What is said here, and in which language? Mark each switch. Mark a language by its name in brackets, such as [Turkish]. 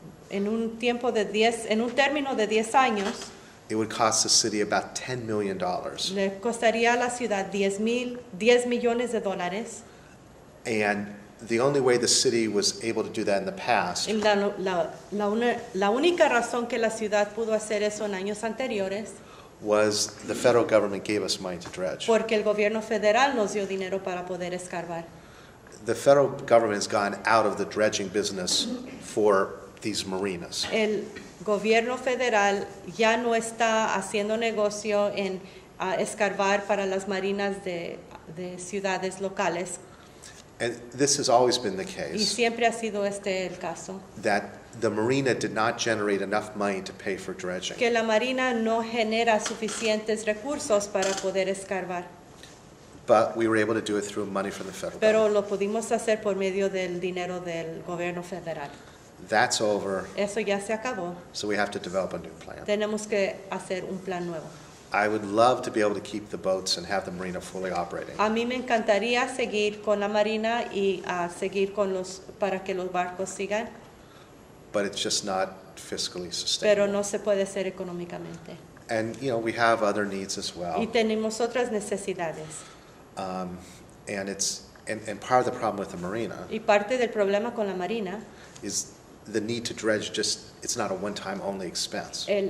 [Spanish] En un tiempo de 10, en un término de 10 años. [English] It would cost the city about $10 million. [Spanish] Le costaría a la ciudad 10 millones de dólares. [English] And the only way the city was able to do that in the past. [Spanish] La única razón que la ciudad pudo hacer eso en años anteriores. [English] Was the federal government gave us money to dredge. [Spanish] Porque el gobierno federal nos dio dinero para poder escarbar. [English] The federal government has gone out of the dredging business for these marinas. [Spanish] El gobierno federal ya no está haciendo negocio en escarbar para las marinas de ciudades locales. [English] And this has always been the case. [Spanish] Y siempre ha sido este el caso. [English] That the marina did not generate enough money to pay for dredging. [Spanish] Que la marina no genera suficientes recursos para poder escarbar. [English] But we were able to do it through money from the federal [Spanish] Pero [English] government. [Spanish] Lo pudimos hacer por medio del dinero del gobierno federal. [English] That's over. [Spanish] Eso ya se acabó. [English] So we have to develop a new plan. [Spanish] Tenemos que hacer un plan nuevo. [English] I would love to be able to keep the boats and have the marina fully operating. [Spanish] A mí me encantaría seguir con la marina y seguir con los para que los barcos sigan. [English] But it's just not fiscally sustainable. [Spanish] Pero no se puede hacer económicamente. [English] And you know, we have other needs as well. [Spanish] Y tenemos otras necesidades. [English] And part of the problem with the marina. [Spanish] Y parte del problema con la marina [English] is the need to dredge just it's not a one time only expense.